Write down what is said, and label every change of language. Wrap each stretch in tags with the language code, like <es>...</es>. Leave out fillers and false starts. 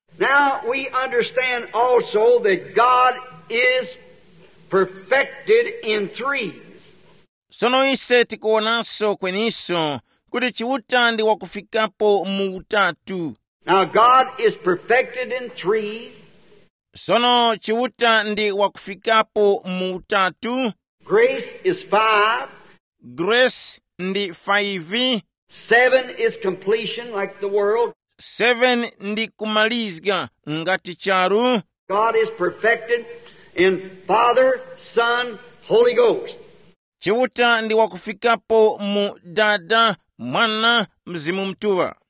<en>Now we understand also that God is perfected in threes.</en> <tum>Sono ise tikuonaso kweniso kuti chiuta ndi wakufikapo mutatu.</tum> <en>Now God is perfected in threes.</en> <tum>Sono chiuta ndi wakufikapo mutatu.</tum> <en>Grace is five. Grace ndi five. Seven is completion like the world.</en> <tum>Seven ndi kumalizga ngati charu.</tum> <en>God is perfected in Father, Son, Holy Ghost.</en> <tum>Chiuta ndi wakufikapo mu dada mwana mzimu mtuva.</tum>